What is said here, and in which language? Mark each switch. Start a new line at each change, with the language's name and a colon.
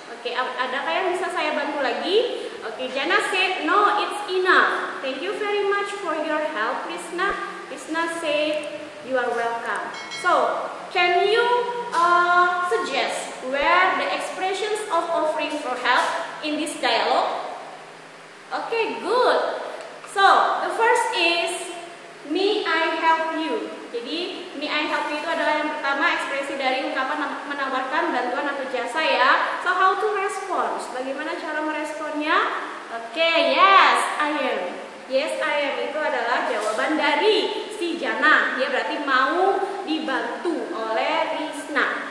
Indonesian: Okay, adakah yang bisa saya bantu lagi?"
English: Okay, Jana said, "No, it's enough. Thank you very much for your help, Krishna." Krishna said, "You are welcome." So, can you suggest where the expressions of offering for help in this dialogue? Okay, good. So, the first is may I help you.
Indonesian: Jadi,
English: may I help you
Indonesian: itu adalah yang pertama ekspresi dari ungkapan menawarkan bantuan atau jasa ya.
English: So, how to respond?
Indonesian: Bagaimana cara meresponnya?
English: Okay, yes, I am. Yes, I am
Indonesian: itu adalah jawaban dari si Jana. Dia berarti mau dibantu oleh Risna.